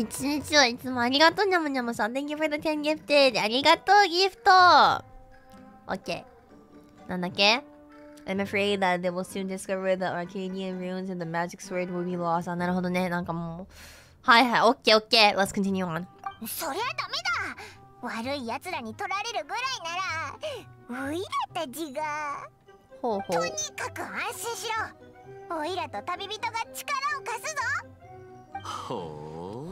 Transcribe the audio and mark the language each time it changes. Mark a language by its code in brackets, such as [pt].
[ja] 一日を、いつもありがとう、ニャムニャムさん。 [en] Thank you for the 10 gifted。 [ja] ありがとう、ギフト。 [en] OK。 [ja] なんだっけ、 [en] I'm afraid that they will soon discover the Arcadian runes and the magic sword will be lost. [ja] なるほどね、なんかもう、はいはい、オッケーオッケー、 [en] Let's continue on。 [ja] そりゃダメだ、悪い奴らに取られるぐらいなら、オイラたちが、ほうほう、とにかく安心しろ、オイラと旅人が力を貸すぞ。ほう、